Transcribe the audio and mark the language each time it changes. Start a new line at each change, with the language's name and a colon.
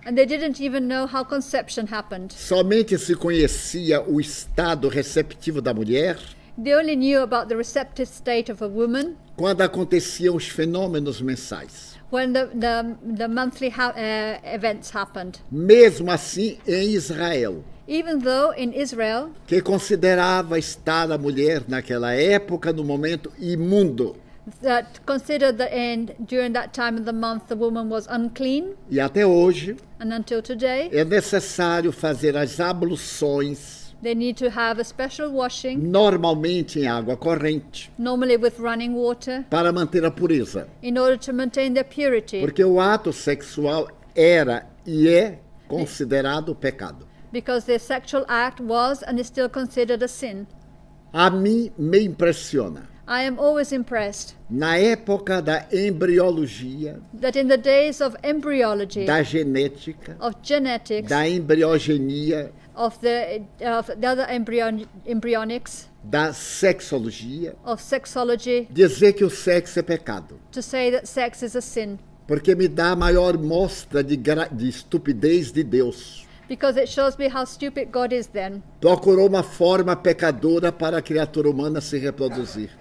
English: And they didn't even know how conception happened.
Portuguese: Somente se conhecia o estado receptivo da mulher.
English: They only knew about the receptive state of a woman.
Portuguese: Quando aconteciam os fenômenos mensais.
English: When the monthly events happened.
Portuguese: Mesmo assim, em Israel.
English: Even though in Israel,
Portuguese: que considerava estar a mulher naquela época, no momento, imundo.
English: That considered that during that time of the month, the woman was unclean.
Portuguese: E até hoje,
English: and until today,
Portuguese: é necessário fazer as abluções.
English: They need to have a special washing.
Portuguese: Normalmente em água corrente.
English: Normally with running water.
Portuguese: Para manter a pureza.
English: In order to maintain their purity.
Portuguese: Porque o ato sexual era e é considerado pecado.
English: Because the sexual act was and is still considered a sin.
Portuguese: A mim me impressiona.
English: I am always impressed.
Portuguese: Na época da embriologia.
English: That in the days of embryology.
Portuguese: Da genética.
English: Of genetics.
Portuguese: Da embriogenia.
English: Of the other embryonics.
Portuguese: Da sexologia.
English: Of sexology.
Portuguese: Dizer que o sexo é pecado.
English: To say that sex is a sin.
Portuguese: Porque me dá a maior mostra de estupidez de Deus.
English: Because it shows me how stupid God is then.
Portuguese: Procurou uma forma pecadora para a criatura humana se reproduzir.